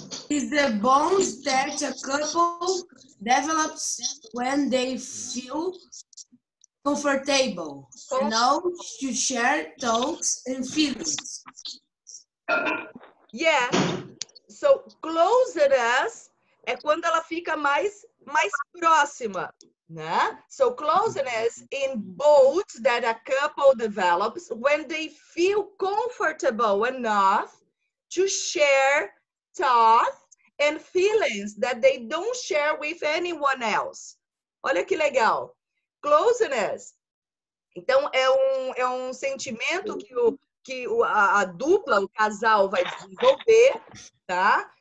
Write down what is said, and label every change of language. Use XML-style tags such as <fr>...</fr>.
<en>Is the bonds that a couple develops when they feel comfortable enough to share thoughts and feelings. Yeah, so</en> <pt>closeness é quando ela fica mais próxima, né?</pt> <en>So closeness in both that a couple develops when they feel comfortable enough to share thoughts and feelings that they don't share with anyone else.</en> <pt>Olha que legal. Closeness. Então, é um sentimento que a dupla, o casal, vai desenvolver, tá?</pt>